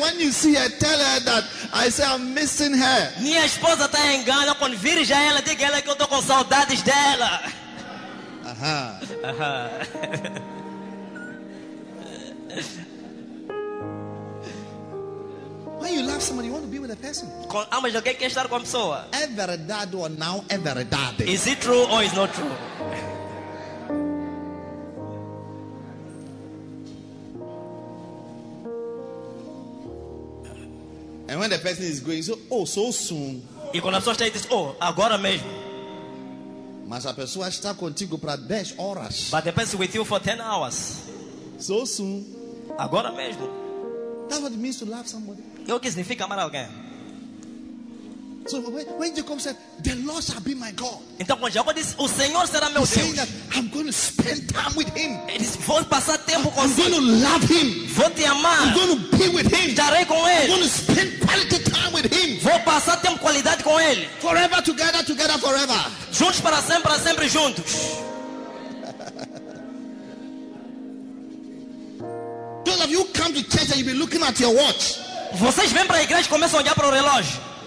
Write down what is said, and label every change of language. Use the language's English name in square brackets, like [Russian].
[English] When you see her, tell her that I say I'm missing her. [Portuguese] Minha esposa está em Ghana. Quando vir já ela, diga ela que eu estou com saudades dela. [English] When you love somebody, you want to be with a person. [Portuguese] Amas alguém, quer estar com a pessoa. É verdade ou não é verdade? [English] Is it true or is not true? And when the person is going, so so soon. [Portuguese] E quando a pessoa está aí, diz, agora mesmo. Mas a pessoa está contigo para 10 horas. [English] But the person with you for 10 hours. So soon. [Portuguese] Agora mesmo. [English] That's what it means to love somebody. [Portuguese] E o que significa amar alguém? [English] So when Jacob said, the Lord shall be my God. [Portuguese] Então quando Jacob disse, o Senhor será meu Deus. [English] He's saying that I'm going to spend time with him. [Portuguese] Vou passar tempo com [English] ele. I'm going to love him. [Portuguese] Vou te amar. [English] I'm going to be with him. [Portuguese] Estarei com ele. [English] I'm going to spend quality time with him. [Portuguese] Vou passar tempo qualidade com ele. [English] Forever together, together forever. [Portuguese] Juntos para sempre juntos. [English] Those of you who come to church and you've been looking at your watch. [Portuguese] Vocês vêm para a igreja e começam a olhar para o relógio.